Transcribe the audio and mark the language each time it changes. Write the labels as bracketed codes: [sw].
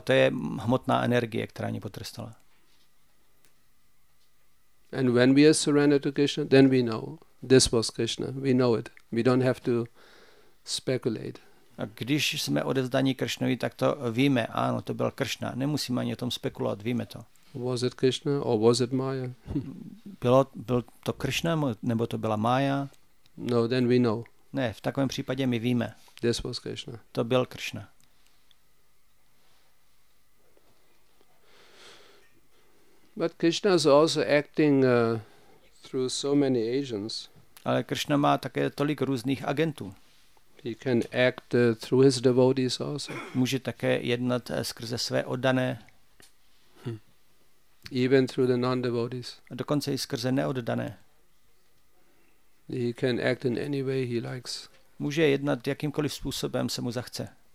[cs] To je hmotná energie, která mě potrestala. [en] And when we are surrendered to Krishna, then we know this was Krishna. We know it. We don't have to speculate. [cs] A když jsme odevzdaní Krishnovi, tak to víme. Ano, to byl Krishna. Nemusíme ani o tom spekulovat. Víme to. [en] Was it Krishna or was it Maya? [cs] Byl to Krishna nebo to byla Maya? [en] No, then we know. [cs] Ne, v takovém případě my víme. [en] This was Krishna. [cs] To byl Krishna. [en] But Krishna is also acting through so many agents. [cs] Ale Krishna má také tolik různých agentů. [en] He can act through his devotees also. [cs] Může také jednat skrze své oddané. [en] Even through the non-devotees. [cs] A dokonce i skrze neoddané. [en] He can act in any way he likes. [cs] Může jednat jakýmkoliv způsobem se mu zachce.